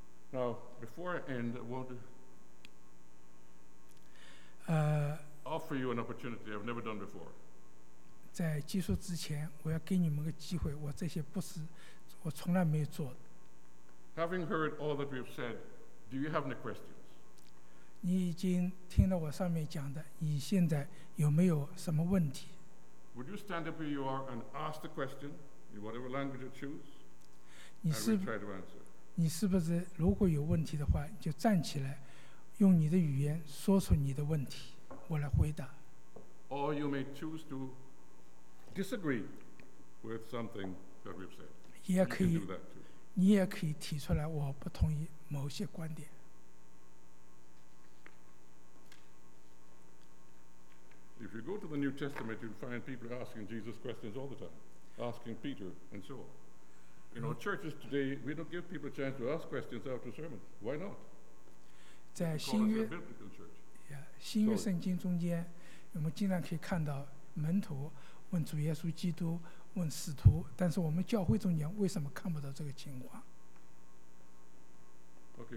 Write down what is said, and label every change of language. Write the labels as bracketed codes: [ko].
[en] Now, before I end, I want to offer you an opportunity I've never done before. [zh] 在结束之前，我要给你们个机会。我这些不是，我从来没有做的。 [en] Having heard all that we've said, do you have any questions? [zh] 你已经听了我上面讲的，你现在有没有什么问题？ [en] Would you stand up where you are and ask the question in whatever language you choose? [zh] 你是不是如果有问题的话，你就站起来，用你的语言说出你的问题，我来回答。 [en] Or you may choose to. Disagree with something that we've said. [zh] 也可以，你也可以提出来，我不同意某些观点。 [en] If you go to the New Testament, you'll find people asking Jesus questions all the time, asking Peter and so on. You know, churches today, we don't give people a chance to ask questions after sermons. Why not? Okay,